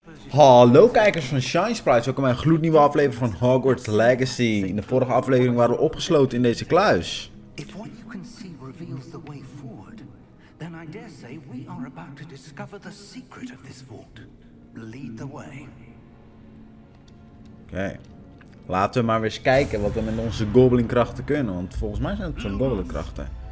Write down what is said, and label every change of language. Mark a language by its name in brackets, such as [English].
[Dutch] Hallo kijkers van ShineSprites, welkom bij een gloednieuwe aflevering van Hogwarts Legacy. In de vorige aflevering waren we opgesloten in deze kluis. [English] If what you can see reveals the way forward, then I dare say we are about to discover the secret of this vault. Lead the way. Oké. Okay. [Dutch] Laten we maar eens kijken wat we met onze goblinkrachten kunnen, want volgens mij zijn het zo'n goblinkrachten.